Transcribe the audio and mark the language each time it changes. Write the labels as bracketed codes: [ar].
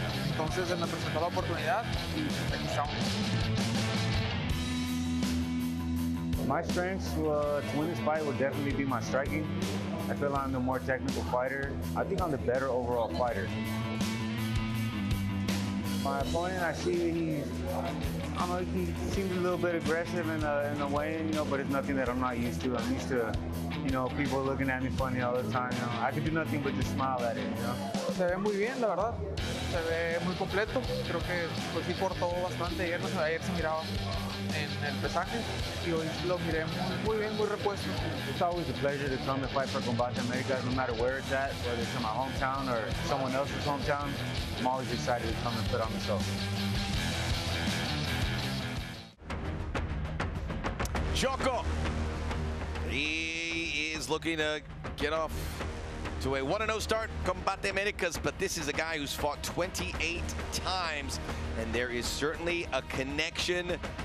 [es] Entonces se me presentó la oportunidad y aquí estamos. [en] My strengths to win this fight would definitely be my striking. I feel I'm the more technical fighter. I think I'm the better overall fighter. My opponent, I see he seems a little bit aggressive in a way, you know, but it's nothing that I'm not used to. I'm used to, you know, people looking at me funny all the time. You know, I could do nothing but just smile at it. You know. [es] Se ve muy bien, la verdad. Se ve muy completo. Creo que pues sí cortó bastante. Ayer se miraba en el pesaje y hoy lo miré muy bien, muy repuesto. [en] It's always a pleasure to come to fight for Combate Americas, no matter where it's at, whether it's in my hometown or someone else's hometown. I'm always excited to come and put on the show. Choco, he is looking to get off to a 1-0 start, Combate Americas, but this is a guy who's fought 28 times, and there is certainly a connection.